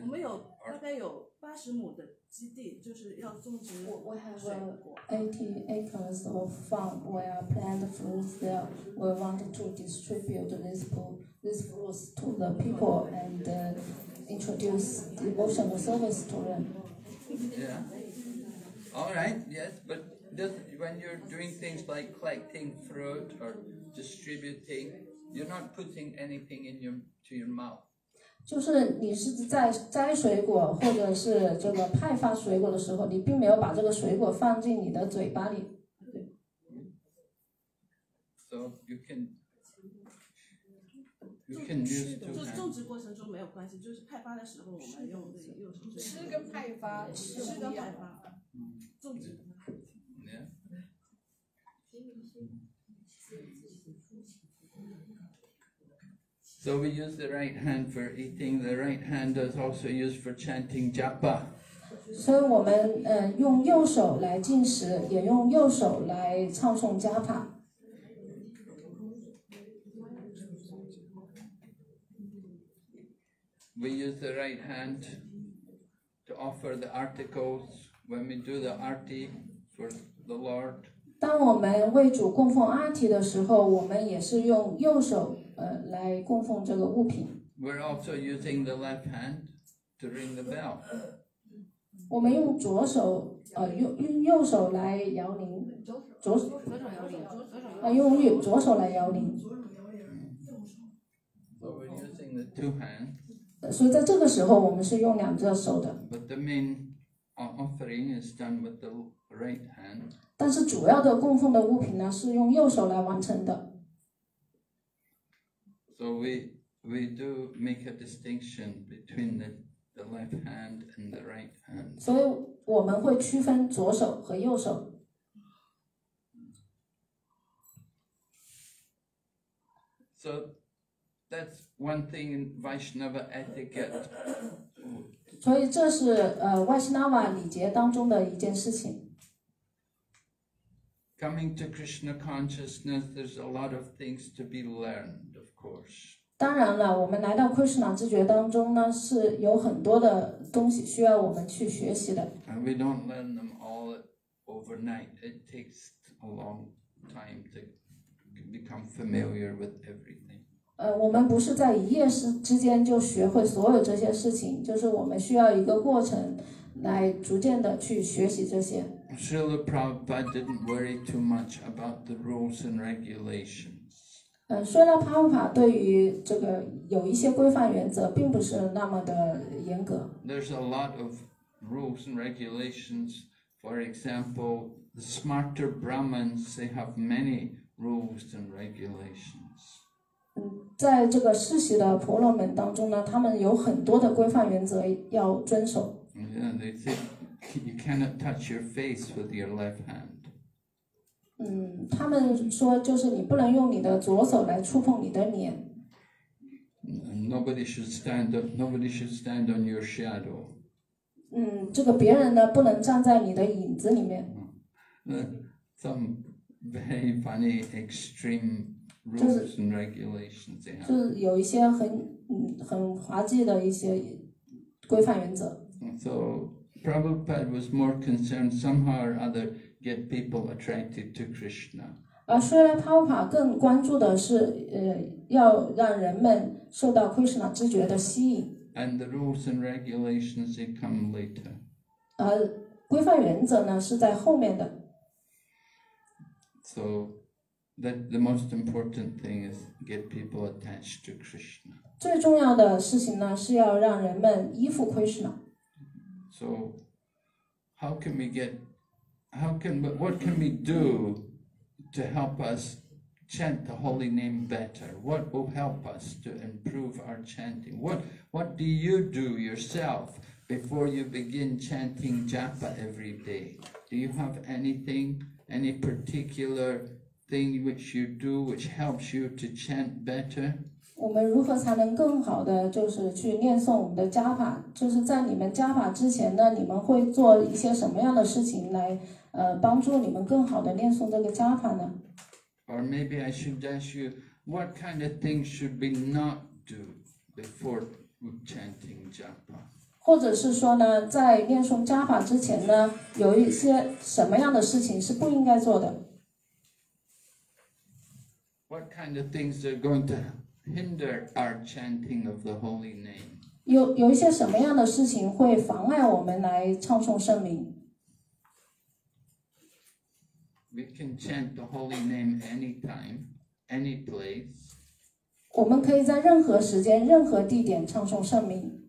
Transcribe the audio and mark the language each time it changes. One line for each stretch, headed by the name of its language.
Chinese: 我们有大概有80亩的基地，就是要种植水果。
English: We have 80 acres of farm where plant fruits there. We want to distribute this fruits to the people and introduce devotional service to them. Yeah. All right. Yes, but just when you're doing things like collecting fruit or distributing. You're not putting anything in your mouth.
Chinese: 就是你是在摘水果或者是这个派发水果的时候，你并没有把这个水果放进你的嘴巴里。
English: So you can use two hands.
Chinese: 就种植过程中没有关系，就是派发的时候我们用右手。吃跟派发，吃跟派发，种植。
English: So we use the right hand for eating. The right hand is also used for chanting japa.
Chinese: 所以我们用右手来进食，也用右手来唱诵加法。
English: we use the right hand to offer the articles. When we do the arti for the Lord,
Chinese: 当我们为主供奉阿提的时候，我们也是用右手来供奉这个物品。
English: We're also using the left hand to ring the bell.
Chinese: 我们用左手用右手来摇铃，用左手来摇铃。
English: So we're using the two hands.
Chinese: 所以在这个时候，我们是用两只手的。
English: But the main offering is done with the right hand.
Chinese: 但是主要的供奉的物品呢，是用右手来完成的。
English: So we do make a distinction between the left hand and the right hand.
Chinese: 所以我们会区分左手和右手。
English: So that's one thing in Vaishnava etiquette.
Chinese: 所以这是Vaishnava 礼节当中的一件事情。
English: Coming to Krishna consciousness, there's a lot of things to be learned, of course.
Chinese: 当然了，我们来到 Krishna 知觉当中呢，是有很多的东西需要我们去学习的。
English: And we don't learn them all overnight. It takes a long time to become familiar with everything.
Chinese: 我们不是在一夜之间就学会所有这些事情，就是我们需要一个过程来逐渐的去学习这些。
English: Srila Prabhupada didn't worry too much about the rules and regulations.
Chinese: 虽然帕夫帕对于这个有一些规范原则并不是那么的严格。
English: There's a lot of rules and regulations. For example, the smarter Brahmins, they have many rules and regulations.
Chinese: 在这个世袭的婆罗门当中呢，他们有很多的规范原则要遵守。
English: Yeah, they say you cannot touch your face with your left hand.
Chinese: 他们说就是你不能用你的左手来触碰你的脸。
English: Nobody should stand on your shadow.
Chinese: 这个别人呢不能站在你的影子里面。
English: Some very funny extreme rules and regulations.
Chinese: 就是有一些很滑稽的一些规范原则。
English: So Prabhupada was more concerned somehow or other get people attracted to Krishna.
Chinese: 虽然帕夫帕更关注的是要让人们受到 Krishna 知觉的吸引。
English: And the rules and regulations they come later.
Chinese: 规范原则呢是在后面的。
English: So that the most important thing is get people attached to Krishna.
Chinese: 最重要的事情呢是要让人们依附 Krishna。
English: So, what can we do to help us chant the holy name better? What will help us to improve our chanting? What do you do yourself before you begin chanting japa every day? Do you have anything, any particular thing which you do which helps you to chant better?
Chinese: 我们如何才能更好的就是去念诵我们的加法，就是在你们加法之前呢，你们会做一些什么样的事情来帮助你们更好的念诵这个加法呢？
English: Or maybe I should ask you, what kind of thing should we not do before chanting japa?
Chinese: 或者是说呢，在念诵加法之前呢，有一些什么样的事情是不应该做的？
English: What kind of things are going to hinder our chanting of the holy name.
Chinese: 有一些什么样的事情会妨碍我们来唱诵圣名？
English: We can chant the holy name anytime, any place.
Chinese: 我们可以在任何时间、任何地点唱诵圣名。